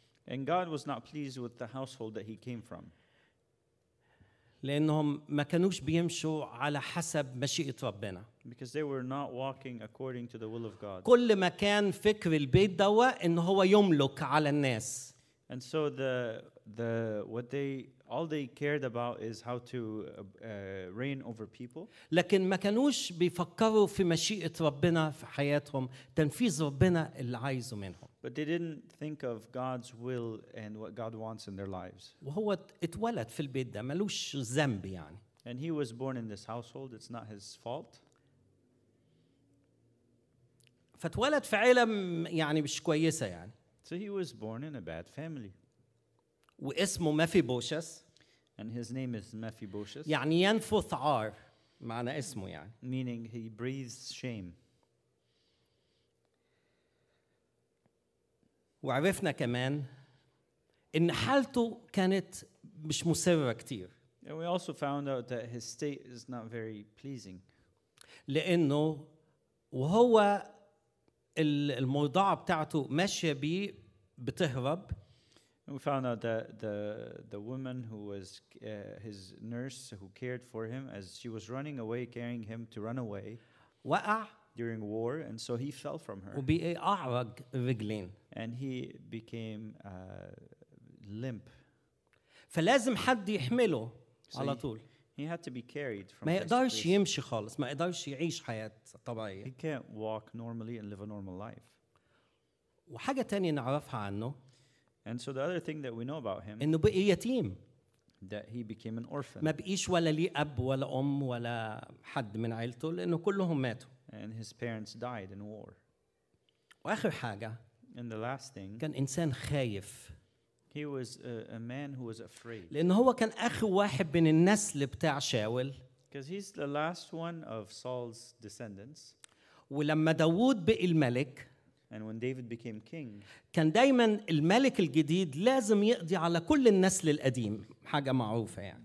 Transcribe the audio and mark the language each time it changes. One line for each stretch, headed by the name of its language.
English: And God was not pleased with the household that he came from.
Arabic: لأنهم ما كانوش بيمشوا على حسب مشيئة ربنا.
English: Because they were not walking according to the will of God.
Arabic: كل ما كان فكر البيت دوا إن هو يملك على الناس.
English: And so the what they all they cared about is how to reign over people.
Arabic: لكن ما كانوش بيفكروا في مشيئة ربنا في حياتهم تنفيذ ربنا اللي عايزه منهم.
English: But they didn't think of God's will and what God wants in their lives.
Arabic: وهو اتولد في البيت ده ملوش ذنب يعني.
English: And he was born in this household. It's not his fault.
Arabic: فتولد في عيلة يعني مش كويسة يعني.
English: So he was born in a bad family.
Arabic: واسمه مفيبوشس.
English: And his name is Mephibosheth.
Arabic: يعني ينفث عار معنى اسمه يعني.
English: Meaning he breathes shame.
Arabic: وعرفنا كمان إن حالته كانت مش مسرّة كتير.
English: And we also found out that his state is not very pleasing.
Arabic: لأنه وهو المرضعة بتاعته ماشية بتهرب.
English: And we found out that the woman who was his nurse who cared for him as she was running away carrying him to run away.
Arabic: وقع.
English: During war and so he fell from her.
Arabic: وبقى أعرج رجلين.
English: And he became limp.
Arabic: فلازم حد يحمله. على طول.
English: He had to be carried from
Arabic: ما يقدرش يمشي خالص ما يقدرش يعيش حياة طبيعية.
English: He can't walk normally and live a normal life.
Arabic: وحاجة تانية نعرفها عنه.
English: And so the other thing that we know about him.
Arabic: إنه بقي يتيم.
English: That he became an orphan.
Arabic: ما بقيش ولا لي أب ولا أم ولا حد من عائلته لأنه كلهم ماتوا.
English: And his parents died in war.
Arabic: وآخر حاجة.
English: And the last thing.
Arabic: كان إنسان خايف.
English: He was a man who was afraid.
Arabic: لأنه هو كان آخر واحد من النسل بتاع شاول.
English: Because he's the last one of Saul's descendants.
Arabic: ولما داود بقي الملك.
English: And when David became king.
Arabic: كان دائما الملك الجديد لازم يقضي على كل النسل القديم حاجة معروفة يعني.